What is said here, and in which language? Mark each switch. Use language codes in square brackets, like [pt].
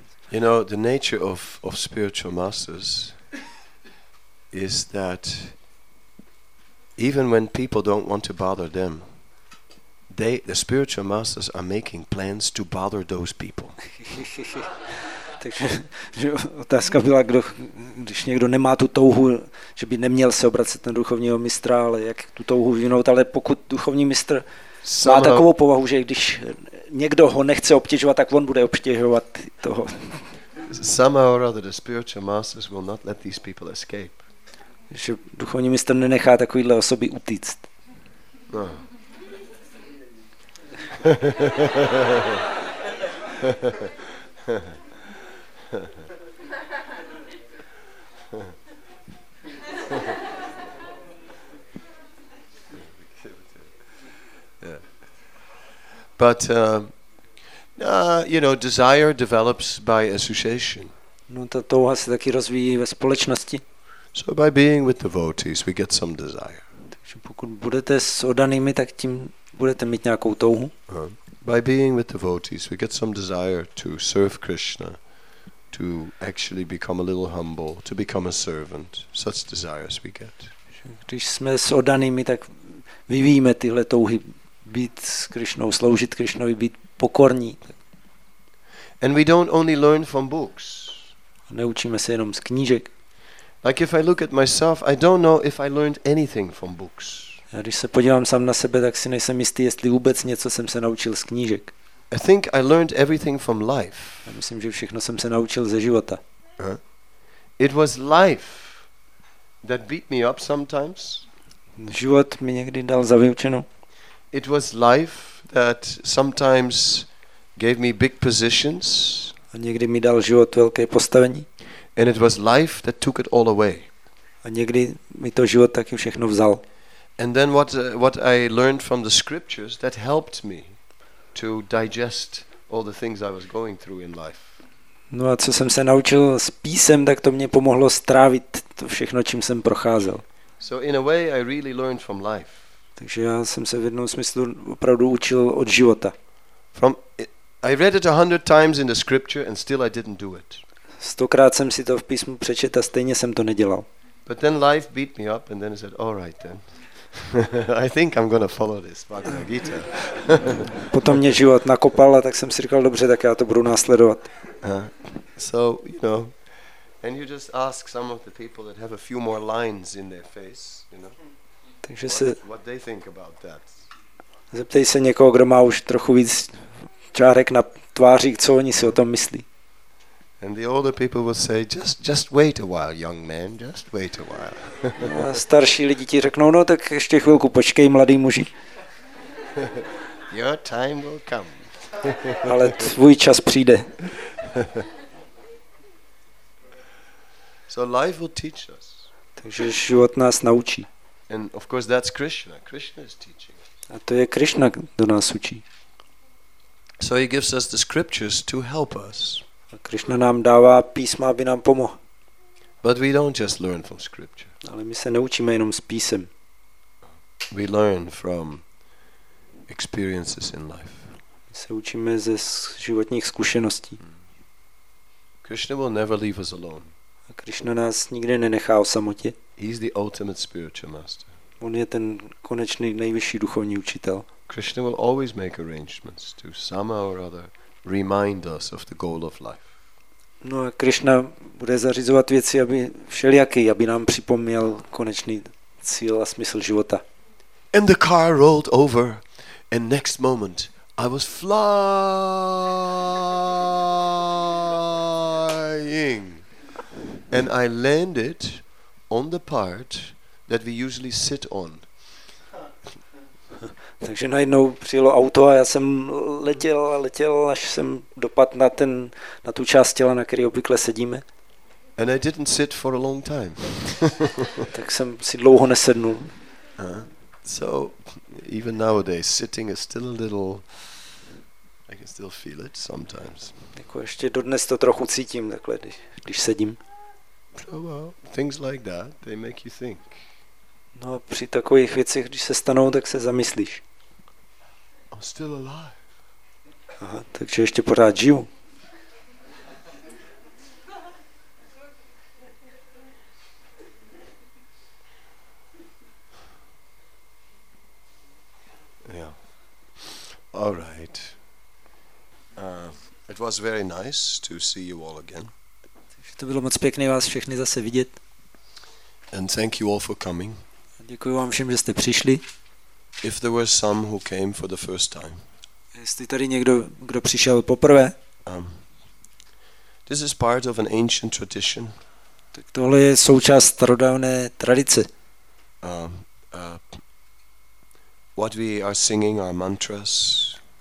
[en] You know, the nature of spiritual masters is that even when people don't want to bother them, the spiritual masters are making plans to bother those people. [cs] Takže otázka byla, když někdo nemá tu touhu, že by neměl se obracet na duchovního mistra, ale jak tu touhu vyvinout, ale pokud duchovní mistr má takovou povahu, že když někdo ho nechce obtěžovat, tak on bude obtěžovat toho. [en] Somehow or other, the spiritual masters will not let these people escape. [cs] Že duchovní mistr nenechá takovýhle osoby utíct. No. [en] But desire develops by association. [cs] No, ta touha se taky rozvíjí ve společnosti. [en] So by being with devotees, we get some desire. [cs] Takže pokud budete s oddanými, tak tím budete mít nějakou touhu. [en] By being with devotees, we get some desire to serve Krishna, to actually become a little humble, to become a servant. Such desires we get. [cs] Když jsme s oddanými, tak vyvíjíme tyhle touhy být s Krishnou, sloužit Krishnovi, být pokorní. [en] And we don't only learn from books. [cs] Neučíme se jenom z knížek. [en] Like if I look at myself, I don't know if I learned anything from books. [cs] Já když se podívám sám na sebe, tak si nejsem jistý, jestli vůbec něco jsem se naučil z knížek. [en] I think I learned everything from life. [cs] Já myslím, že všechno jsem se naučil ze života. [en] It was life that beat me up sometimes. [cs] Život mi někdy dal za vyučenou. [en] It was life that sometimes gave me big positions. [cs] A někdy mi dal život velké postavení. [en] And it was life that took it all away. [cs] A někdy mi to život taky všechno vzal. [en] And then what I learned from the scriptures that helped me to digest all the things I was going through in life. [cs] No a co jsem se naučil s písem, tak to mě pomohlo strávit to všechno, čím jsem procházel. [en] So in a way I really learned from life. [cs] Takže já jsem se v jednom smyslu opravdu učil od života. [en] From I read it 100 times in the scripture and still I didn't do it. [cs] Stokrát jsem si to v písmu přečet a stejně jsem to nedělal. [en] But then life beat me up and then I said, all right then. I think I'm going to follow this Bhagavad Gita. [cs] Potom mě život nakopal a tak jsem si říkal, dobře, tak já to budu následovat. [en] So, you know, and you just ask some of the people that have a few more lines in their face, you know. [cs] Takže se [en] what they think about that. [cs] Zeptej se někoho, kdo má už trochu víc čárek na tváři, co oni si o tom myslí. [en] And the older people will say, just wait a while, young man, just wait a while. [cs] A starší lidi ti řeknou, no tak ještě chvilku počkej, mladý muži. [en] Your time will come. [cs] Ale tvůj čas přijde. [en] So life will teach us. [cs] Takže život nás naučí. [en] And of course that's Krishna. Krishna is teaching. [cs] A to je Krishna, kdo nás učí. [en] So he gives us the scriptures to help us. [cs] A Krishna nám dává písma, aby nám pomohl. [en] But we don't just learn from scripture. [cs] Ale my se neučíme jenom z písem. [en] We learn from experiences in life. [cs] My se učíme ze životních zkušeností. [en] Krishna will never leave us alone. [cs] A Krishna nás nikdy nenechá o samotě. [en] He's the ultimate spiritual master. [cs] On je ten konečný nejvyšší duchovní učitel. [en] Krishna will always make arrangements to somehow or other remind us of the goal of life. [cs] No a Krishna bude zařizovat věci, aby všelijaký, aby nám připomněl konečný cíl a smysl života. [en] And the car rolled over and next moment I was flying and I landed on the part that we usually sit on. [cs] Takže najednou přijelo auto a já jsem letěl a letěl, až jsem dopadl na ten, na tu část těla, na který obvykle sedíme. [en] And I didn't sit for a long time. [cs] Tak jsem si dlouho nesednul. [en] So even nowadays sitting is still a little, I can still feel it sometimes. [cs] Jako ještě dodnes to trochu cítím takhle, když sedím. [en] So, well, things like that, they make you think. [cs] No a při takových věcech, když se stanou, tak se zamyslíš. [en] I'm still alive. [cs] Aha, takže ještě pořád žiju. [en] Yeah. All right. It was very nice to see you all again. [cs] Takže to bylo moc pěkné vás všechny zase vidět. [en] And thank you all for coming. [cs] Děkuji vám všem, že jste přišli. [en] If there were some who came for the first time. [cs] Jestli tady někdo, kdo přišel poprvé. [en] This is part of an ancient tradition. [cs] Tak tohle je součást starodávné tradice. [en] What we are singing are mantras.